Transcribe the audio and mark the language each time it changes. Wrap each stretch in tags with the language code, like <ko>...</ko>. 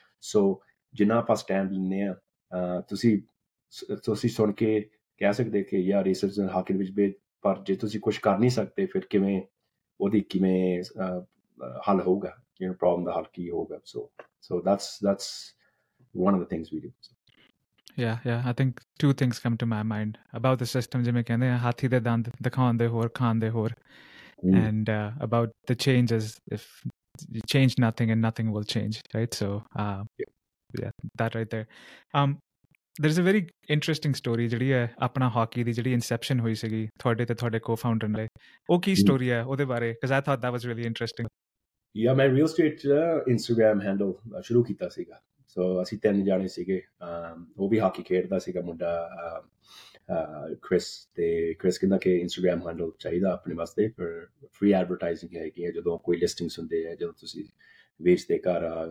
<pa>ਸੋ ਜਿੰਨਾ ਆਪਾਂ ਸਟੈਂਡ ਲੈਂਦੇ ਹਾਂ, ਤੁਸੀਂ ਸੁਣ ਕੇ ਕਹਿ ਸਕਦੇ ਕਿ ਯਾਰ ਰੇਸਿਜ਼ਮ ਹਾਕੀ ਵਿੱਚ ਵੀ, ਪਰ ਜੇ ਤੁਸੀਂ ਕੁਛ ਕਰ ਨਹੀਂ ਸਕਦੇ ਫਿਰ ਕਿਵੇਂ ਉਹਦੀ ਕਿਵੇਂ ਹੱਲ ਹੋਊਗਾ, ਕਿਵੇਂ ਪ੍ਰੋਬਲਮ ਦਾ ਹੱਲ ਕੀ ਹੋਊਗਾ?</pa> <en>So that's one of the things we do. Yeah, yeah, I think 2 things come to my mind about the system,</en> <pa>jime kehnde hain hathi de dand dikhaun de hor</pa> <en>khaan de hor, and about the changes, if you change nothing and nothing will change, right? So yeah, that right there. There is a very interesting story</en> <pa>ਜਿਹੜੀ ਹੈ ਆਪਣਾ hockey ਦੀ ਜਿਹੜੀ ਇਨਸੈਪਸ਼ਨ ਹੋਈ ਸੀਗੀ ਤੁਹਾਡੇ ਤੇ ਤੁਹਾਡੇ co-founder ਨਾਲ ਉਹ ਕੀ ਸਟੋਰੀ ਹੈ ਉਹਦੇ ਬਾਰੇ</pa> <en>because I thought that was really interesting</en> <pa>ਯਾ ਮੈਂ ਰੀਅਲ ਸਟੇਟ ਇੰਸਟਾਗ੍ਰਾਮ ਹੈਂਡਲ ਸ਼ੁਰੂ ਕੀਤਾ ਸੀਗਾ ਸੋ ਅਸੀਂ ਤਿੰਨ ਜਾਣੇ ਸੀਗੇ ਉਹ ਵੀ ਹਾਕੀ ਖੇਡਦਾ ਸੀਗਾ ਮੁੰਡਾ ਕ੍ਰਿਸ ਅਤੇ ਕ੍ਰਿਸ ਕਹਿੰਦਾ ਕਿ ਇੰਸਟਾਗ੍ਰਾਮ ਹੈਂਡਲ ਚਾਹੀਦਾ ਆਪਣੇ ਵਾਸਤੇ ਫਿਰ ਫਰੀ ਐਡਵਰਟਾਈਜ਼ਿੰਗ ਹੈਗੀ ਹੈ ਜਦੋਂ ਕੋਈ ਲਿਸਟਿੰਗਸ ਹੁੰਦੇ ਆ ਜਦੋਂ ਤੁਸੀਂ ਵੇਚਦੇ ਘਰ</pa>